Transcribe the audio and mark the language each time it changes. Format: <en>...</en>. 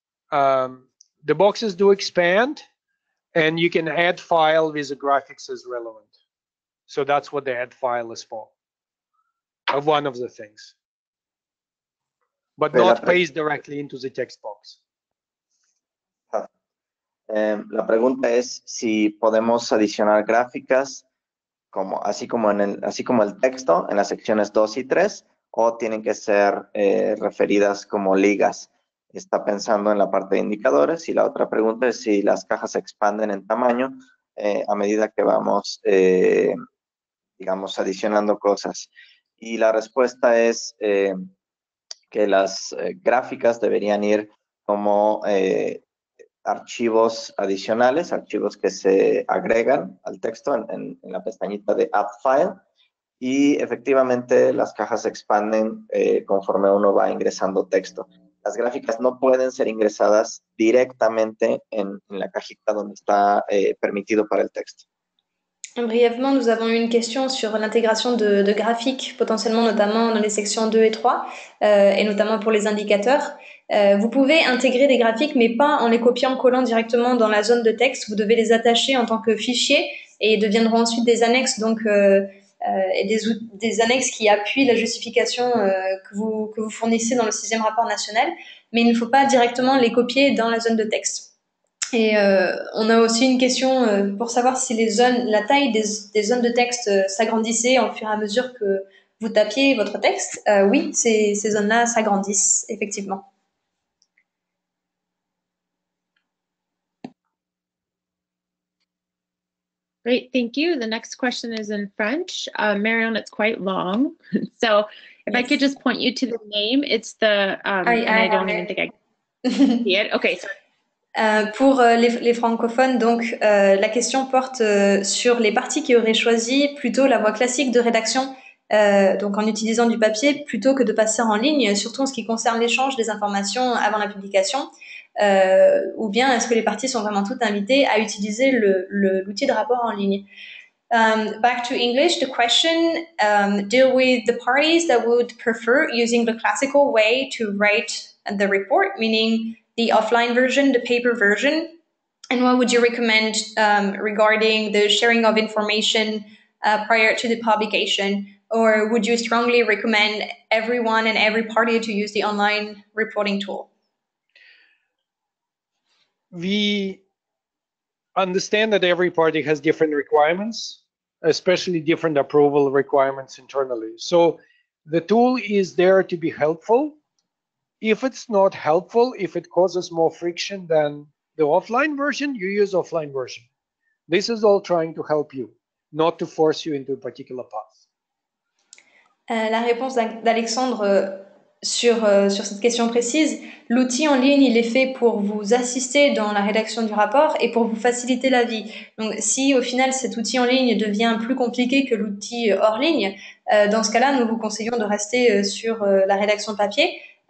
<en>The boxes do expand, and you can add file with the graphics as relevant. So that's what the add file is for. Of one of the things, but not paste directly into the text box.</en> <es>La pregunta es si podemos adicionar gráficas como así como el texto en las secciones 2 y 3 o tienen que ser referidas como ligas. Está pensando en la parte de indicadores y la otra pregunta es si las cajas se expanden en tamaño a medida que vamos digamos adicionando cosas. Y la respuesta es que las gráficas deberían ir como archivos adicionales, archivos que se agregan al texto en la pestañita de Add File. Y efectivamente las cajas se expanden conforme uno va ingresando texto. Las gráficas no pueden ser ingresadas directamente en la cajita donde está permitido para el texto.</es> <fr>Brièvement, nous avons eu une question sur l'intégration de graphiques, potentiellement notamment dans les sections 2 et 3, et notamment pour les indicateurs. Vous pouvez intégrer des graphiques, mais pas en les copiant, collant directement dans la zone de texte. Vous devez les attacher en tant que fichier et ils deviendront ensuite des annexes, donc des annexes qui appuient la justification que vous fournissez dans le 6e rapport national. Mais il ne faut pas directement les copier dans la zone de texte. Et on a aussi une question pour savoir si les zones, la taille des zones de texte s'agrandissait en fur et à mesure que vous tapiez votre texte. Oui, ces zones-là s'agrandissent, effectivement.</fr> <en>Great, thank you. The next question is in French. Marion, it's quite long. So if yes. I could just point you to the name, it's the... I don't even think I can see it. Okay, sorry.</en> <fr>Pour les francophones, donc la question porte sur les parties qui auraient choisi plutôt la voie classique de rédaction, donc en utilisant du papier plutôt que de passer en ligne, surtout en ce qui concerne l'échange des informations avant la publication, ou bien est-ce que les parties sont vraiment toutes invitées à utiliser l'outil de rapport en ligne.</fr> <en>Back to English, the question deal with the parties that would prefer using the classical way to write the report, meaning the offline version, the paper version, and what would you recommend regarding the sharing of information prior to the publication? Or would you strongly recommend everyone and every party to use the online reporting tool? We understand that every party has different requirements, especially different approval requirements internally. So the tool is there to be helpful. If it's not helpful, if it causes more friction than the offline version, you use offline version. This is all trying to help you, not to force you into a particular path.</en> <fr>La réponse d'Alexandre sur cette question précise, l'outil en ligne, il est fait pour vous assister dans la rédaction du rapport et pour vous faciliter la vie. Donc si au final cet outil en ligne devient plus compliqué que l'outil hors ligne, dans ce cas-là, nous vous conseillons de rester sur la rédaction papier.</fr>